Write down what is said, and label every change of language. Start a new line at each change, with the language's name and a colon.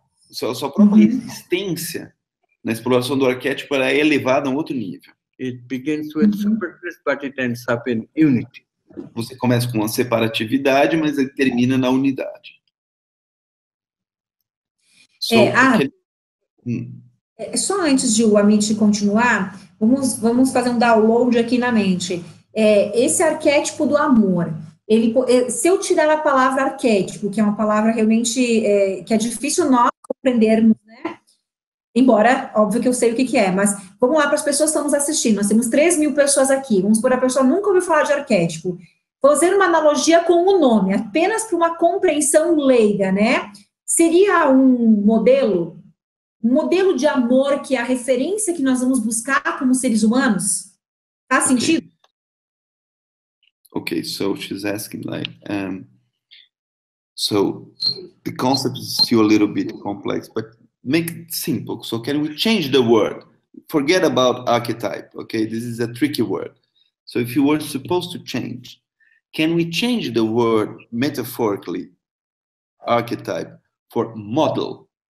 Portuguese: Sua própria existência na exploração do arquétipo é elevada a um outro nível.
English: It begins with superfluous, but it ends up in unity.
Portuguese: Você começa com uma separatividade, mas ele termina na unidade. Só antes de o Amit continuar, vamos fazer um download aqui na mente. Esse arquétipo do amor, se eu tirar a palavra arquétipo, que é uma palavra realmente que é difícil nós compreendermos, né? Embora, óbvio que eu sei o que é, mas vamos lá para as pessoas que estamos assistindo. Nós temos 3 mil pessoas aqui. Vamos supor, a pessoa nunca ouviu falar de arquétipo. Fazendo uma analogia com o nome, apenas para uma compreensão leiga, né? Seria um modelo... um modelo de amor que é a referência que nós vamos buscar como seres humanos? Faz sentido?
English: Okay, so she's asking like, so the concept is still a little bit complex, but make it simple. So can we change the word? Forget about archetype, okay? This is a tricky word. So if you were supposed to change, can we change the word metaphorically, archetype, for model?